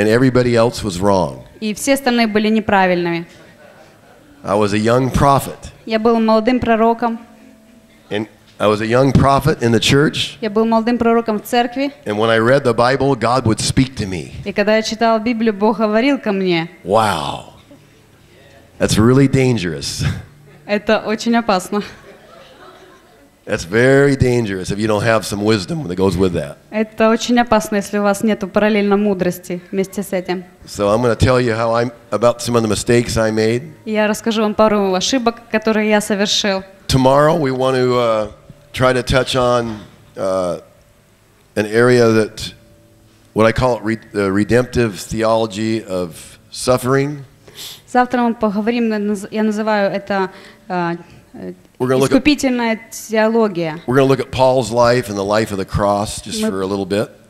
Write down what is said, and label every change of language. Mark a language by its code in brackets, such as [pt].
[en] And everybody else was wrong. [ru] И все остальные были неправильными. [en] I was a young prophet. [ru] Я был молодым пророком. [en] And I was a young prophet in the church. [ru] Я был молодым пророком в церкви. [en] And when I read the Bible, God would speak to me. [ru] И когда я читал Библию, Бог говорил ко мне. [en] Wow. That's really dangerous. [ru] Это очень опасно. [en] That's very dangerous if you don't have some wisdom that goes with that. [ru] Это очень опасно, если у вас нету параллельно мудрости вместе с этим. [en] So I'm going to tell you how I'm about some of the mistakes I made. [ru] Я расскажу вам пару ошибок, которые я совершил. [en] Tomorrow we want to try to touch on an area that what I call the redemptive theology of suffering. [ru] Завтра мы поговорим, я называю это искупительная теология. [en] We're going to look at Paul's life and the life of the cross just for a little bit.